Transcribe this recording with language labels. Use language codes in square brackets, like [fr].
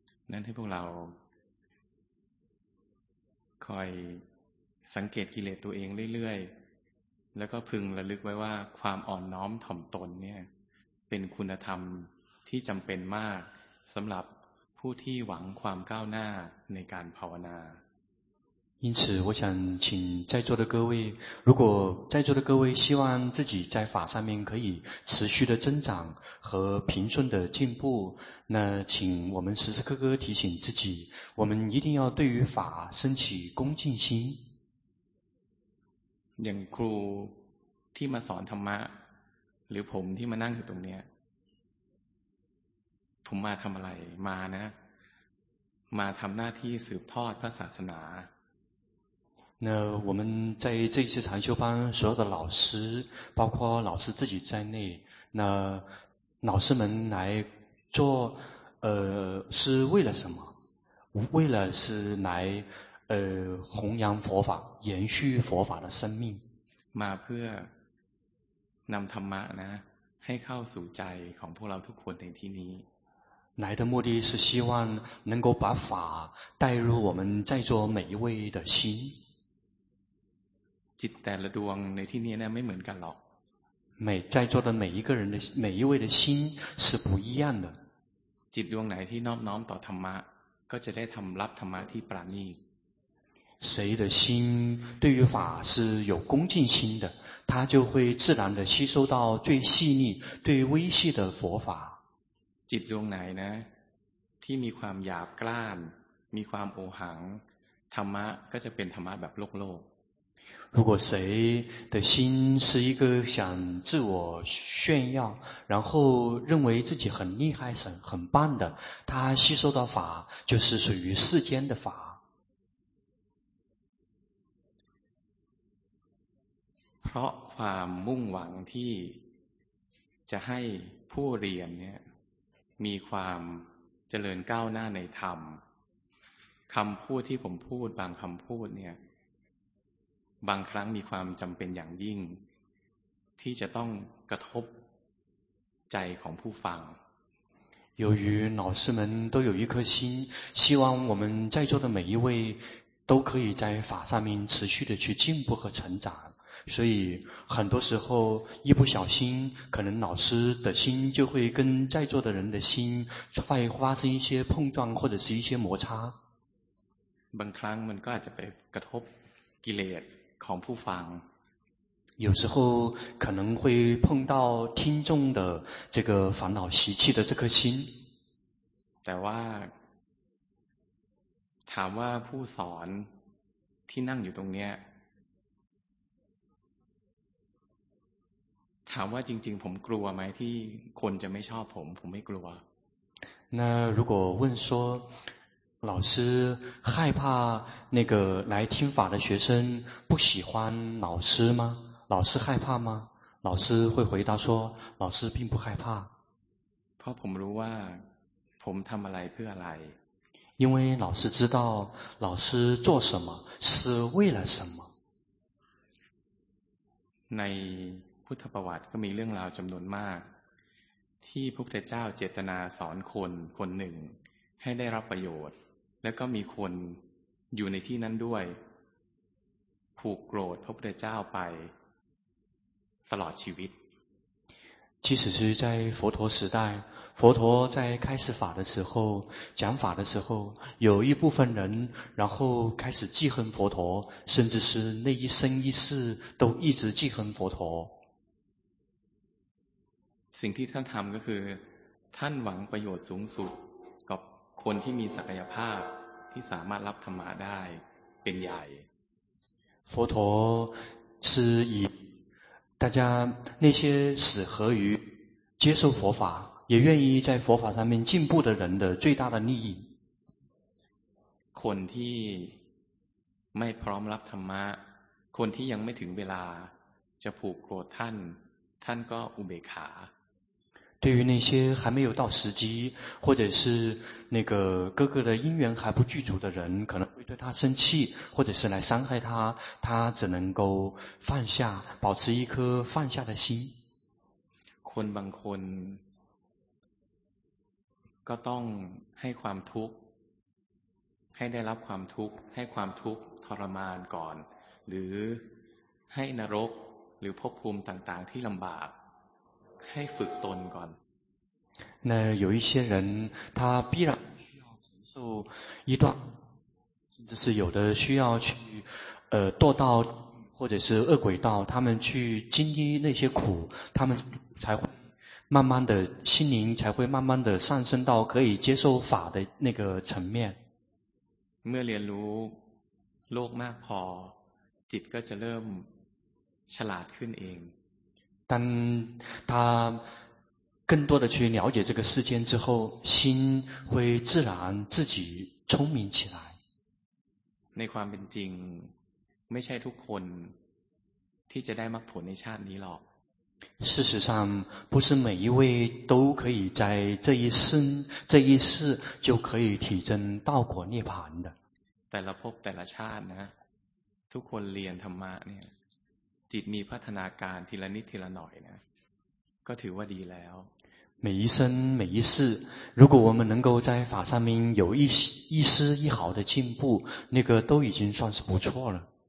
[th] นั่นที่พวกเราคอยสังเกตกิเลสตัวเองเรื่อยๆแล้วก็พึงระลึกไว้ว่าความอ่อนน้อมถ่อมตนเนี่ยเป็นคุณธรรมที่จำเป็นมากสำหรับผู้ที่หวังความก้าวหน้าในการภาวนา [zh] 因此我想请在座的各位如果在座的各位希望自己在法上面可以持续的增长和平顺的进步那请我们时时刻刻提醒自己我们一定要对于法升起恭敬心 [th] อย่างครูที่มาสอนธรรมะหรือผมที่มานั่งอยู่ตรงนี้ผมมาทำอะไรมานะมาทำหน้าที่สืบทอดพระศาสนา [zh] 那我们在这一次禅修班所有的老师包括老师自己在内那老师们来做是为了什么为了是来弘扬佛法延续佛法的生命 [th] มาเพื่อนำธรรมะนะให้เข้าสู่ใจของพวกเราทุกคนในที่นี้ [zh] 来的目的是希望能够把法带入我们在座每一位的心 [th] จิตแต่ละดวงในที่นี้นะไม่เหมือนกันหรอก [zh] 每在座的每一个人的每一位的心是不一样的 [th] จิตดวงไหนที่น้อมน้อมต่อธรรมะก็จะได้ทำรับธรรมะที่ปราณีต [zh] 谁的心对于法是有恭敬心的他就会自然的吸收到最细腻最微细的佛法 [th] จิตดวงไหนนะที่มีความหยาบกร้านมีความโอหังธรรมะก็จะเป็นธรรมะแบบโลกโลก [zh] 如果谁的心是一个想自我炫耀然后认为自己很厉害很棒的他吸收到法就是属于世间的法 [th] เพราะความมุ่งหวังที่จะให้ผู้เรียนเนี่ยมีความเจริญก้าวหน้าในธรรมคำพูดที่ผมพูดบางคำพูดเนี่ยบางครั้งมีความจำเป็นอย่างยิ่งที่จะต้องกระทบใจของผู้ฟัง [zh] 由于老师们都有一颗心希望我们在座的每一位都可以在法上面持续的去进步和成长所以很多时候一不小心可能老师的心就会跟在座的人的心会发生一些碰撞或者是一些摩擦 [th] บางครั้งมันก็อาจจะไปกระทบกิเลสของผู้ฟัง [zh] 有时候可能会碰到听众的这个烦恼习气的这颗心 [th] แต่ว่าถามว่าผู้สอนที่นั่งอยู่ตรงเนี้ยถามว่าจริงๆผมกลัวไหมที่คนจะไม่ชอบผมผมไม่กลัว [zh] 那如果问说老师害怕那个来听法的学生不喜欢老师吗？老师害怕吗？老师会回答说：“老师并不害怕。” [th] เพราะผมรู้ว่าผมทำอะไรเพื่ออะไร [zh] 因为老师知道老师做什么是为了什么。 [th] ในพุทธประวัติก็มีเรื่องราวจำนวนมากที่พระพุทธเจ้าเจตนาสอนคนคนหนึ่งให้ได้รับประโยชน์แล้วก็มีคนอยู่ในที่นั้นด้วยผูกโกรธพระพุทธเจ้าไปตลอดชีวิต [zh] 即使是在佛陀时代佛陀在开始法的时候讲法的时候有一部分人然后开始记恨佛陀甚至是那一生一世都一直记恨佛陀 [th] สิ่งที่ท่านทำก็คือท่านหวังประโยชน์สูงสุดคนที่มีศักยภาพที่สามารถรับธรรมะได้เป็นใหญ่ [zh] 佛陀是以大家那些适合于接受佛法也愿意在佛法上面进步的人的最大的利益 [th] คนที่ไม่พร้อมรับธรรมะคนที่ยังไม่ถึงเวลาจะผูกโกรธท่าน ท่านก็อุเบกขา [zh] 对于那些还没有到时机或者是那个哥哥的因缘还不具足的人可能会对他生气或者是来伤害他他只能够放下保持一颗放下的心 [th] คนบางคนก็ต้องให้ความทุกข์ให้ได้รับความทุกข์ให้ความทุกข์ทรมานก่อนหรือให้นรกหรือภพภูมิต่างๆที่ลำบากให้ฝึกตนก่อน [zh] 那有一些人他必然需要承受一段甚至是有的需要去堕到或者是恶鬼道他们去经历那些苦他们才会慢慢的心灵才会慢慢的上升到可以接受法的那个层面 [th] เมื่อเรียนรู้โลกมากพอจิตก็จะเริ่มฉลาดขึ้นเอง [zh] 当他更多的去了解这个世间之后心会自然自己聪明起来 [th] ในความเป็นจริงไม่ใช่ทุกคนที่จะได้มรรคผลในชาตินี้หรอก [zh] 事实上不是每一位都可以在这一生这一世就可以体证道果涅槃的 [th] แต่ละภพแต่ละชาตินะทุกคนเรียนธรรมะเนี่ยจิตมีพัฒนาการทีละนิดทีละหน่อยนะก็ถือว่าดีแล้ว [zh] 每一生每一世如果我们能够在法上面有一丝一毫的进步那个都已经算是不错了